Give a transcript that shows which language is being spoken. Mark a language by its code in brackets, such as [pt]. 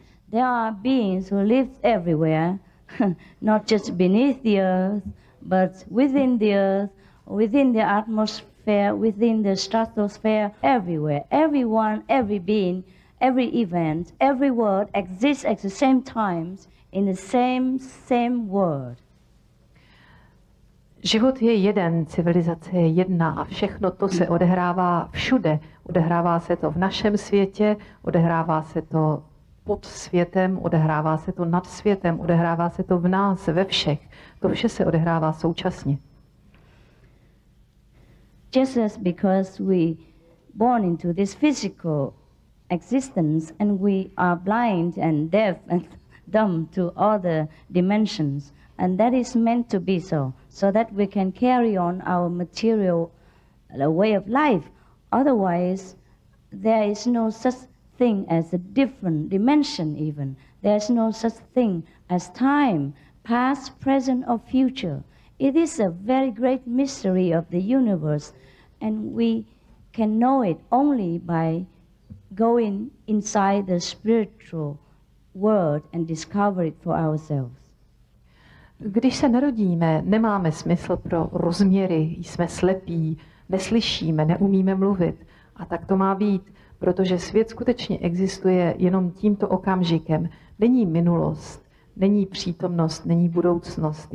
[en] There are beings who live everywhere, not just beneath the earth, but within the earth, within the atmosphere, within the stratosphere, everywhere. Everyone, every being, every event, every world exists at the same times in the same world. [cs] Život je jeden, civilizace je jedna a všechno to se odehrává všude. Odehrává se to v našem světě, odehrává se to pod světem, odehrává se to nad světem, odehrává se to v nás, ve všech. To vše se odehrává současně. [en] Just as because we born into this physical existence and we are blind and deaf and dumb to all the dimensions and that is meant to be so. So that we can carry on our material way of life. Otherwise, there is no such thing as a different dimension even. There is no such thing as time, past, present, or future. It is a very great mystery of the universe, and we can know it only by going inside the spiritual world and discover it for ourselves. [cs] Když se narodíme, nemáme smysl pro rozměry, jsme slepí, neslyšíme, neumíme mluvit. A tak to má být, protože svět skutečně existuje jenom tímto okamžikem. Není minulost, není přítomnost, není budoucnost.